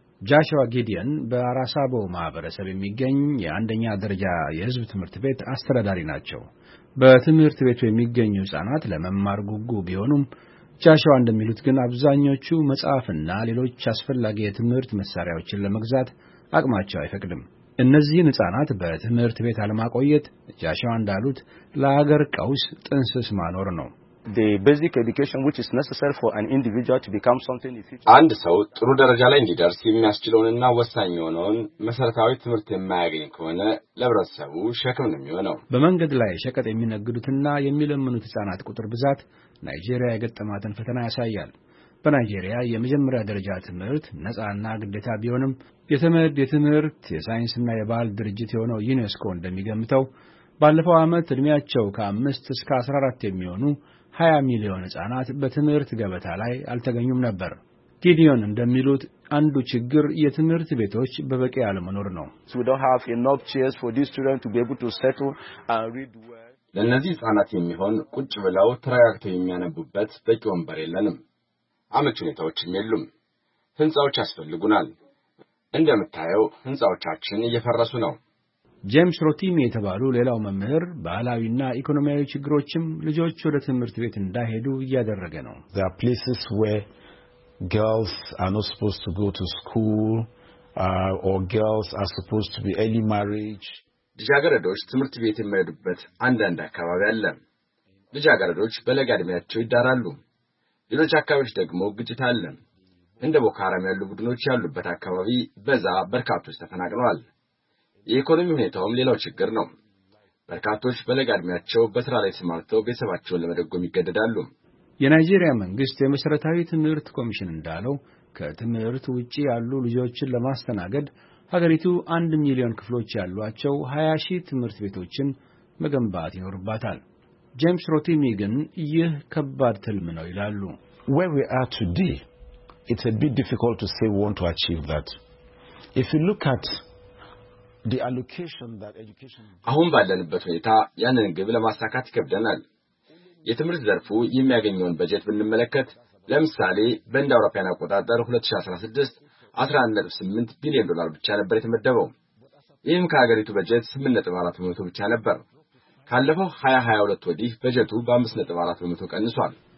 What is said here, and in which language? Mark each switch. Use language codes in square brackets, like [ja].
[am] ጃሽዋ ጊዲየን በአራሳቦ ማህበረሰብ የሚገኝ የአንደኛ ደረጃ የህዝብ ትምህርት ቤት አስተዳዳሪ ናቸው። በትምህርት ቤቱ የሚገኙ ህጻናት ለመማር ጉጉ ቢሆኑም ጃሽዋ እንደሚሉት ግን አብዛኞቹ መጽሐፍና ሌሎች አስፈላጊ የትምህርት መሳሪያዎችን ለመግዛት አቅማቸው አይፈቅድም። እነዚህን ህጻናት በትምህርት ቤት አለማቆየት ጃሽዋ እንዳሉት ለአገር ቀውስ ጥንስስ ማኖር ነው። [en] The basic education which is necessary for an individual to become something in future. [am] አንድ ሰው ጥሩ ደረጃ ላይ እንዲደርስ የሚያስችለውንና ወሳኝ የሆነውን መሰረታዊ ትምህርት የማያገኝ ከሆነ ለብረተሰቡ ሸክም ነው የሚሆነው። በመንገድ ላይ ሸቀጥ የሚነግዱትና የሚለምኑት ህጻናት ቁጥር ብዛት ናይጄሪያ የገጠማትን ፈተና ያሳያል። በናይጄሪያ የመጀመሪያ ደረጃ ትምህርት ነጻና ግዴታ ቢሆንም የተመድ የትምህርት የሳይንስና የባህል ድርጅት የሆነው ዩኔስኮ እንደሚገምተው ባለፈው አመት እድሜያቸው ከ5 እስከ 14 የሚሆኑ 20 ሚሊዮን ህጻናት በትምህርት ገበታ ላይ አልተገኙም ነበር። ጊዲዮን እንደሚሉት አንዱ ችግር የትምህርት ቤቶች በበቂ አለመኖር ነው። ለነዚህ ህጻናት የሚሆን ቁጭ ብለው ትራያክተር የሚያነቡበት በቂ ወንበር የለንም። አመቺ ሁኔታዎችም የሉም። ህንጻዎች ያስፈልጉናል። እንደምታየው ህንጻዎቻችን እየፈረሱ ነው። ጄምስ ሮቲም የተባሉ ሌላው መምህር ባህላዊና ኢኮኖሚያዊ ችግሮችም ልጆች ወደ ትምህርት ቤት እንዳይሄዱ እያደረገ ነው። [en] The places where girls are not supposed to go to school or girls are supposed to be early marriage. [am] ልጃገረዶች ትምህርት ቤት የማይሄዱበት አንዳንድ አካባቢ አለ። ልጃገረዶች በለጋ እድሜያቸው ይዳራሉ። ሌሎች አካባቢዎች ደግሞ ግጭት አለ። እንደ ቦካራም ያሉ ቡድኖች ያሉበት አካባቢ በዛ በርካቶች ተፈናቅለዋል። የኢኮኖሚ ሁኔታውም ሌላው ችግር ነው። በርካቶች በለጋ እድሜያቸው በስራ ላይ ተሰማርተው ቤተሰባቸውን ለመደጎም ይገደዳሉ። የናይጄሪያ መንግስት የመሰረታዊ ትምህርት ኮሚሽን እንዳለው ከትምህርት ውጪ ያሉ ልጆችን ለማስተናገድ ሀገሪቱ 1 ሚሊዮን ክፍሎች ያሏቸው 20 ሺህ ትምህርት ቤቶችን መገንባት ይኖርባታል። ጄምስ ሮቲሚ ግን ይህ ከባድ ትልም ነው ይላሉ። [en] Where we are today, it's a bit difficult to say we want to achieve that. If you look at the allocation that education [am] አሁን ባለንበት ሁኔታ ያንን ግብ ለማሳካት ይከብደናል። የትምህርት ዘርፉ የሚያገኘውን በጀት ብንመለከት ለምሳሌ በእንደ አውሮፓውያን አቆጣጠር 2016 18 ቢሊዮን ዶላር ብቻ ነበር የተመደበው። ይህም ከሀገሪቱ በጀት 8.4% ብቻ ነበር። ካለፈው 2022 ወዲህ በጀቱ በ5.4% ቀንሷል።